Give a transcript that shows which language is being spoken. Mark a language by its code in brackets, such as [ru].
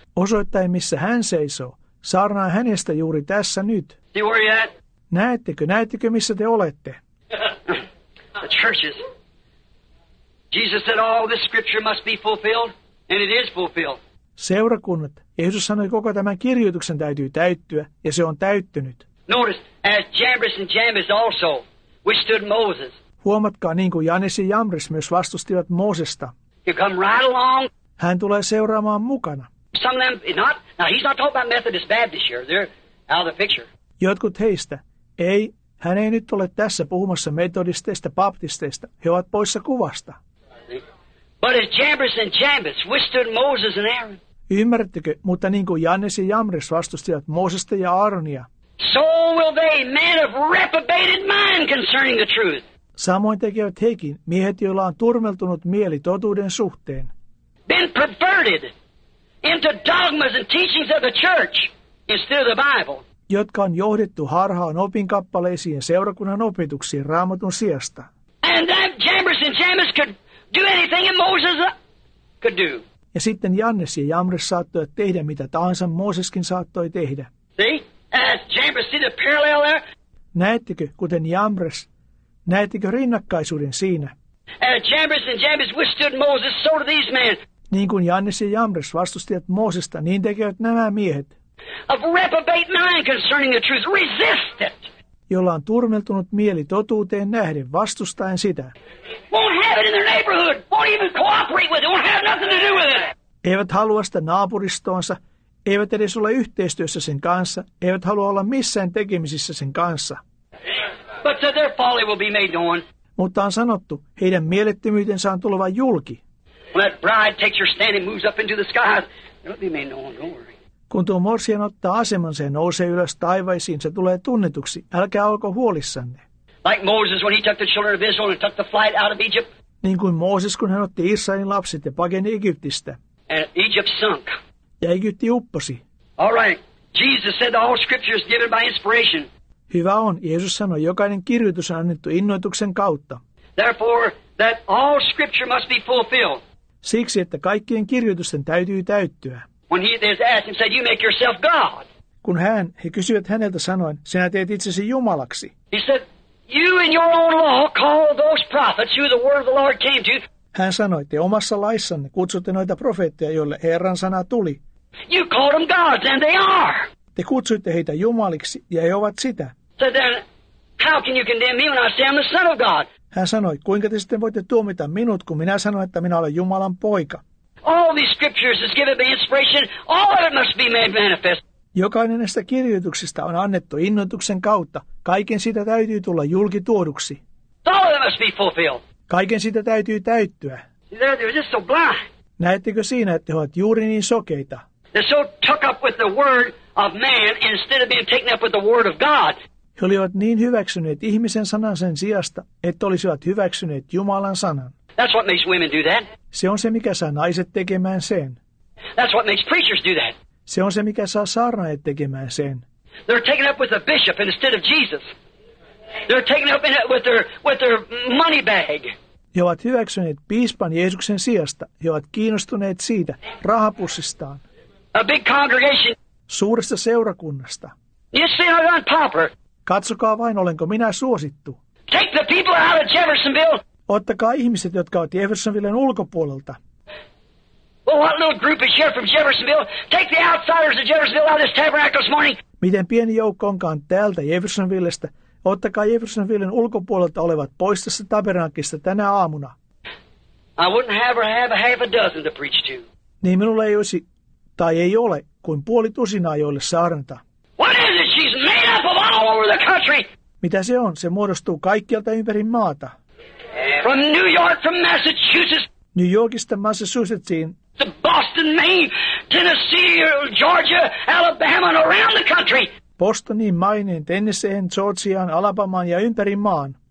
[fi] Osoittaen, missä hän seisoo. Saarnaan hänestä juuri tässä nyt. [en] See where you're at? [fi] Näettekö, missä te olette? [en] The churches. Jesus said all this scripture must be fulfilled, and it is fulfilled. [fi] Seurakunnat. Jeesus sanoi, koko tämän kirjoituksen täytyy täyttyä, ja se on täyttynyt. [en] Notice, as Jambres and Jambes also withstood Moses. [fi] Huomatkaa, niin kuin Jannes ja Jambres myös vastustivat Moosesta. [en] You come right along. [fi] Hän tulee seuraamaan mukana. [en] Some of them not. Now he's not talking about Methodist Baptist here. They're out of the picture. [fi] Jotkut heistä. Ei, hän ei nyt ole tässä puhumassa metodisteista, baptisteista. He ovat poissa kuvasta. [en] But as Jambres and Jambes withstood Moses and Aaron. [fi] Ymmärrättekö, mutta niin kuin Jannes ja Jambres vastustivat Moosesta ja Aaronia. [en] So will they, men of reprobated mind concerning the truth. [fi] Samoin tekevät hekin, miehet, joilla on turmeltunut mieli totuuden suhteen. [en] Been perverted into dogmas and teachings of the church instead of the Bible. [fi] Jotka on johdettu harhaan opinkappaleisiin seurakunnan opetuksiin Raamatun sijasta. [en] And that Jambres and Jambes could do anything that Moses could do. [fi] Ja sitten Jannes ja Jambres saattoivat tehdä mitä tahansa Mooseskin saattoi tehdä. [en] See? As Jambres, see the parallel there? [fi] Näettekö, kuten Jambres, näettekö rinnakkaisuuden siinä? [en] As Jambres and Jambes withstood Moses, so do these men. [fi] Niin kuin Jannes ja Jambres vastustivat Moosesta, niin tekevät nämä miehet. [en] Of reprobate mind concerning the truth, resist it. [fi] Jolla on turmeltunut mieli totuuteen nähden, vastustaen sitä. [en] Won't have it in their neighborhood. Won't even cooperate with it. Won't have nothing to do with it. [fi] Eivät halua sitä naapuristoonsa, eivät edes ole yhteistyössä sen kanssa, eivät halua olla missään tekemisissä sen kanssa. [en] But so their folly will be made known. [fi] Mutta on sanottu, heidän mielettömyytensä on tuleva julki. [en] When that bride takes her stand and moves up into the sky, it'll be made known, don't worry. [fi] Kun tuo morsian ottaa asemansa ja nousee ylös taivaisiin, se tulee tunnetuksi. Älkää olko huolissanne. [en] Like Moses when he took the children of Israel and took the flight out of Egypt. [fi] Niin kuin Mooses, kun hän otti Israelin lapset ja pakeni Egyptistä. [en] And Egypt sunk. [fi] Ja Egypti upposi. [en] All right. Jesus said the whole scripture is given by inspiration. [fi] Hyvä on. Jeesus sanoi, jokainen kirjoitus on annettu innoituksen kautta. [en] Therefore, that all scripture must be fulfilled. [fi] Siksi, että kaikkien kirjoitusten täytyy täyttyä. [en] When he is asked and said, you make yourself God. [fi] Kun he kysyivät häneltä sanoen, sinä teet itsesi jumalaksi. [en] He said, you in your own law call those prophets who the word of the Lord came to. [fi] Hän sanoi, te omassa laissanne kutsutte noita profeettia, joille Herran sana tuli. [en] You call them gods and they are. [fi] Te kutsuitte heitä jumaliksi ja he ovat sitä. [en] So then, how can you condemn me when I say I'm the son of God? [fi] Hän sanoi, kuinka te sitten voitte tuomita minut, kun minä sanon, että minä olen Jumalan poika. [en] All these scriptures is given by inspiration. All of it must be made manifest. [fi] Jokainen näistä kirjoituksista on annettu innoituksen kautta. Kaiken sitä täytyy tulla julkituoduksi. [en] All of it must be fulfilled. [fi] Kaiken sitä täytyy täyttyä. [en] They're just so blind. [fi] Näettekö siinä, että he ovat juuri niin sokeita? [en] They're so took up with the word of man instead of being taken up with the word of God. [fi] He olivat niin hyväksyneet ihmisen sanan sen sijasta, että olisivat hyväksyneet Jumalan sanan. [en] That's what makes women do that. [fi] Se on se, mikä saa naiset tekemään sen. [en] That's what makes preachers do that. [fi] Se on se, mikä saa saarnaajat tekemään sen. [en] They're taken up with a bishop instead of Jesus. They're taken up with their money bag. [fi] He ovat hyväksyneet piispan Jeesuksen sijasta. He ovat kiinnostuneet siitä rahapussistaan. [en] A big congregation. [fi] Suuresta seurakunnasta. [en] You see, I'm unpopular. [fi] Katsokaa vain, olenko minä suosittu. [en] Take the people out of Jeffersonville. [fi] Ottakaa ihmiset, jotka ovat Jeffersonvillen ulkopuolelta. [en] Well, what little group is here from Jeffersonville? Take the outsiders of Jeffersonville out of this tabernacle this morning. [fi] Miten pieni joukko onkaan täältä Jeffersonvillestä? Ottakaa Jeffersonvillen ulkopuolelta olevat pois tästä tabernakista tänä aamuna. [en] I wouldn't have or have a half a dozen to preach to. [fi] Niin minulla ei olisi, tai ei ole, kuin puoli tusinaa, joille saarnata. [en] What is it? She's made up of all over the country. [fi] Mitä se on? Se muodostuu kaikkialta ympäri maata. [en] From New York, from Massachusetts. [fi] New Yorkista Massachusettsiin. [en] To Boston, Maine, Tennessee, Georgia, Alabama and around the country. [fi] Bostoniin, Maineen, Tennesseen, Georgiaan, Alabamaan ja ympäri maan.